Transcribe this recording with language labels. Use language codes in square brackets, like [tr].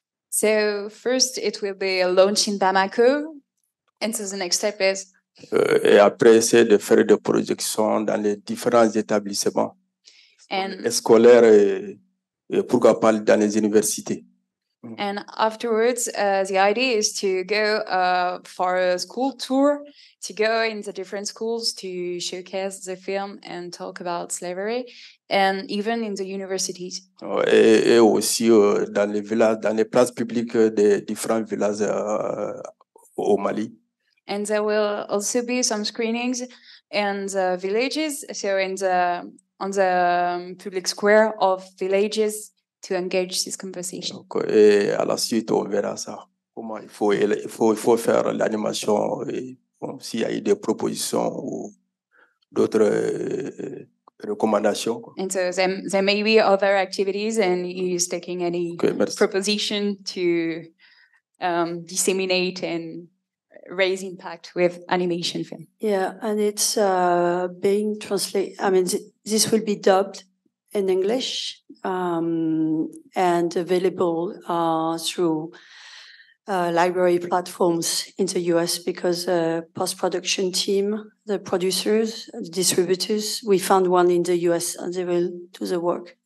[en] So first, it will be a launch in Bamako. And so the next step is... [fr] Et après, essayer de faire des projections dans les différents établissements. [en] And [fr] scolaire pourquoi pas dans les universités. [en] And afterwards, the idea is to go for a school tour, to go in the different schools to showcase the film and talk about slavery, and even in the universities. [fr] Et aussi dans les villages, dans les places publiques des différents villages au Mali. [en] And there will also be some screenings in the villages, so in the on the public square of villages, to engage this conversation. [fr] Okay. Et à la suite, on verra ça. Comment il faut faire l'animation et bon, s'il y a eu des propositions ou d'autres recommandations. [en] And so there may be other activities and he's taking any okay, proposition to disseminate and raise impact with animation film. Yeah, and it's being translated. I mean, this will be dubbed in English and available through library platforms in the US because post-production team, the producers, the distributors, we found one in the US and they will do the work.